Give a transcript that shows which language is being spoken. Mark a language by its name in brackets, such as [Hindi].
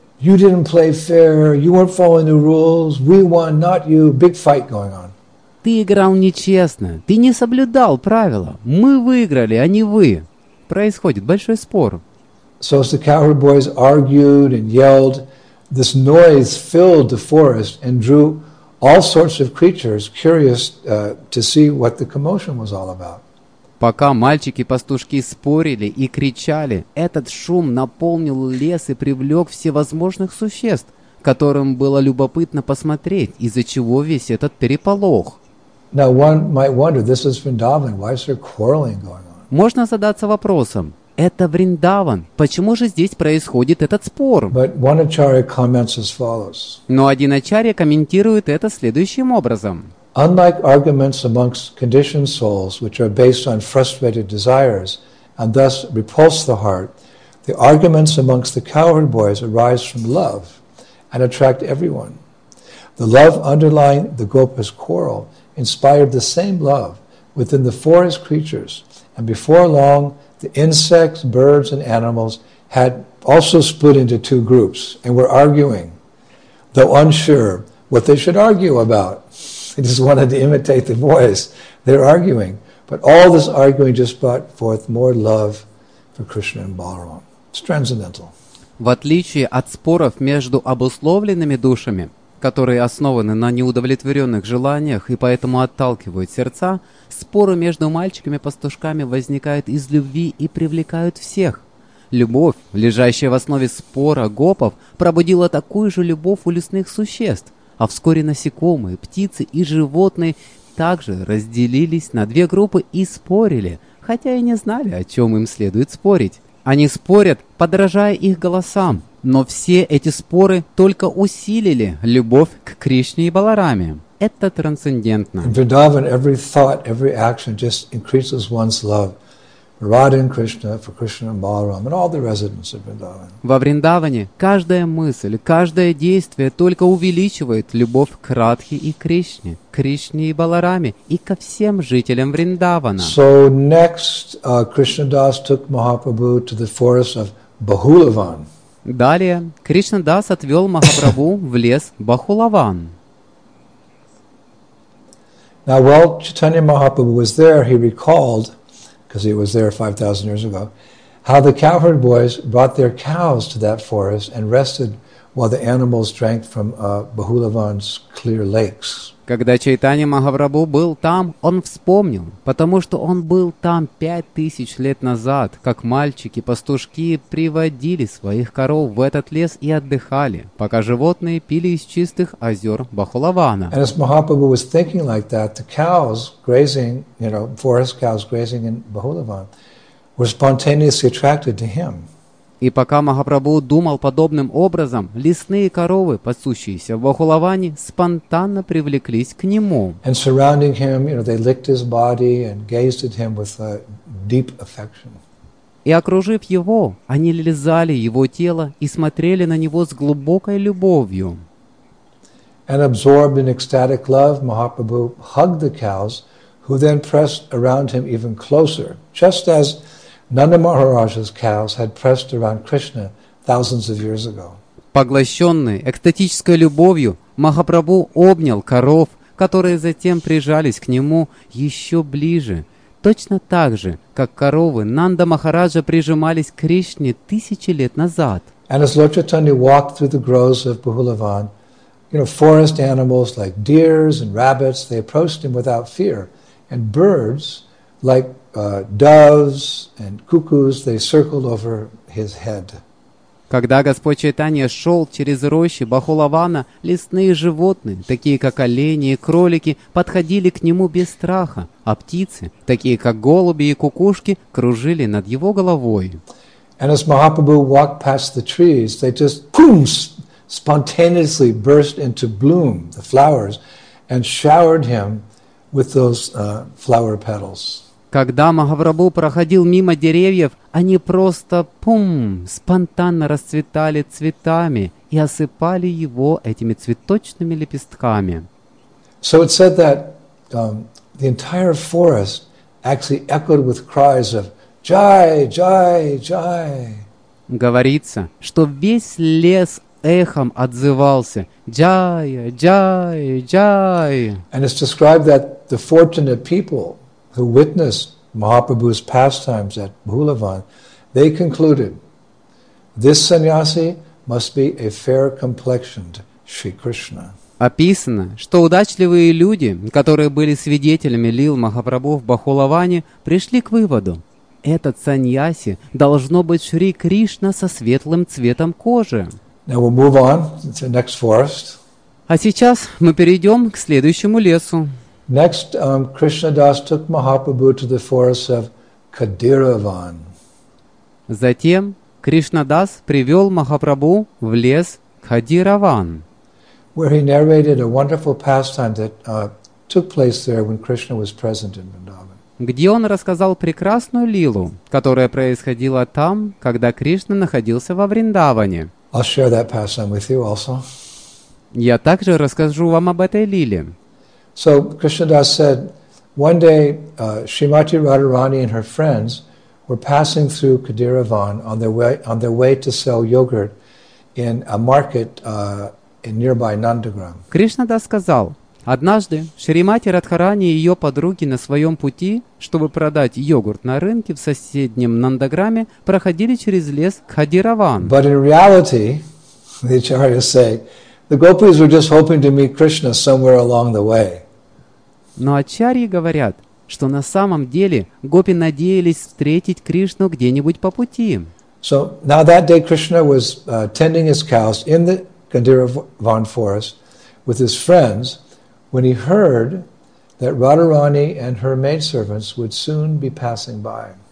[English] You didn't play fair, you weren't following the rules, we won, not you, big fight going on. [Russian] Ты играл нечестно, ты не соблюдал правила, мы выиграли, а не вы. Происходит большой спор. [English] So as the cowherd boys argued and yelled, this noise filled the forest and drew all sorts of creatures curious to see what the commotion was all about. [Russian] Пока мальчики-пастушки спорили и кричали, этот шум наполнил лес и привлек всевозможных существ, которым было любопытно посмотреть, из-за чего весь этот переполох. [English] Now one might wonder, this is Vrindavan, why is there quarreling going on? [Russian] Можно задаться вопросом, это Вриндаван, почему же здесь происходит этот спор? [English] But one acharya comments as follows. [Russian] Но один ачарья комментирует это следующим образом. [English] Unlike arguments amongst conditioned souls, which are based on frustrated desires and thus repulse the heart, the arguments amongst the cowherd boys arise from love and attract everyone. The love underlying the gopas' quarrel inspired the same love within the forest creatures, and before long, the insects, birds, and animals had also split into two groups and were arguing, though unsure what they should argue about. They just wanted to imitate the voice. They're arguing. But all this arguing just brought forth more love for Krishna and Balaram. It's transcendental. [Russian] В отличие от споров между обусловленными душами, которые основаны на неудовлетворенных желаниях и поэтому отталкивают сердца, споры между мальчиками-пастушками возникают из любви и привлекают всех. Любовь, лежащая в основе спора гопов, пробудила такую же любовь у лесных существ, а вскоре насекомые, птицы и животные также разделились на две группы и спорили, хотя и не знали, о чем им следует спорить. Они спорят, подражая их голосам. Но все эти споры только усилили любовь к Кришне и Балараме. Это трансцендентно. [English] In Vrindavan, every thought, every action just increases one's love for Radha and Krishna, for Krishna and Balaram, and all the residents of Vrindavan. [Russian] Во Вриндаване каждая мысль, каждое действие только увеличивает любовь к Радхе и Кришне, к Кришне и Балараме и ко всем жителям Вриндавана. [English] So next, Krishna Das took Mahaprabhu to the forest of Bahulavan. [Russian] Далее Кришна Дас отвел Махапрабху в лес Бахулаван. [English] Now, while Chaitanya Mahaprabhu was there, he recalled, because he was there 5,000 years ago, how the cowherd boys brought their cows to that forest and rested while the animals drank from Bahulavan's clear lakes. [Russian] Когда Чайтанья Махапрабху был там, он вспомнил, потому что он был там 5000 лет назад, как мальчики-пастушки приводили своих коров в этот лес и отдыхали, пока животные пили из чистых озер Бахулавана. [English] And as Mahaprabhu was thinking like that, the cows grazing, you know, forest cows grazing in Bahulavan, were spontaneously attracted to him. [Russian] И пока Махапрабху думал подобным образом, лесные коровы, пасущиеся в Бахулаване, спонтанно привлеклись к нему. [English] And surrounding him, you know, they licked his body and gazed at him with a deep affection. [Russian] И окружив его, они лизали его тело и смотрели на него с глубокой любовью. [English] And absorbed in ecstatic love, Mahaprabhu hugged the cows, who then pressed around him even closer, just as Nanda Maharaja's cows had pressed around Krishna thousands of years ago. [Russian] Поглощенный экстатической любовью, Махапрабху обнял коров, которые затем прижались к нему еще ближе, точно так же, как коровы Нанда Махараджа прижимались к Кришне тысячи лет назад. [English] And as Lord Chaitanya walked through the groves of Bahulavan, you know, forest animals like deers and rabbits, they approached him without fear, and birds like doves and cuckoos, they circled over his head. [Russian] Когда Господь Чайтанья шел через рощи Бахулавана, лесные животные, такие как олени и кролики, подходили к нему без страха, а птицы, такие как голуби и кукушки, кружили над его головой. [English] And as Mahaprabhu walked past the trees, they just spontaneously burst into bloom, the flowers, and showered him with those flower petals. [Russian] Когда Махапрабху проходил мимо деревьев, они просто спонтанно расцветали цветами и осыпали его этими цветочными лепестками. [English] So it said that the entire forest actually echoed with cries of Jai, Jai, Jai. [Russian] Говорится, что весь лес эхом отзывался Jai, Jai, Jai. [English] And it's described that the fortunate people who witnessed Mahaprabhu's pastimes at Bhulavan, they concluded, this sannyasi must be a fair-complexioned Shri Krishna. [Russian] Описано, что удачливые люди, которые были свидетелями лил Махапрабху в Бахулаване, пришли к выводу, этот саньяси должно быть Шри Кришна со светлым цветом кожи. [English] Now we'll move on to the next forest. [Russian] А сейчас мы перейдем к следующему лесу. [English] Next, Krishna Das took Mahaprabhu to the forest of Kadiravan. [Russian] Затем Кришна Дас привел Махапрабху в лес Кадираван. [English] Where he narrated a wonderful pastime that took place there when Krishna was present in Vrindavan. [Russian] Где он рассказал прекрасную лилу, которая происходила там, когда Кришна находился во Вриндаване. [English] I'll share that pastime with you also. [Russian] Я также расскажу вам об этой лиле. [English] So Krishna Das said, one day Srimati Radharani and her friends were passing through Kadiravan on their way to sell yogurt in a market in nearby Nandagram. [Russian] Krishna Das сказал, однажды Шримати Радхарани и ее подруги на своем пути, чтобы продать йогурт на рынке в соседнем Нандаграме, проходили через лес Кадиравана. [English] But in reality, the acharyas say, the gopis were just hoping to meet Krishna somewhere along the way. [Russian] Но ачарьи говорят, что на самом деле гопи надеялись встретить Кришну где-нибудь по пути. [English] So now that day Krishna was tending his cows in the Kadiravan forest with his friends when he heard that Radharani and her maidservants would soon be passing by.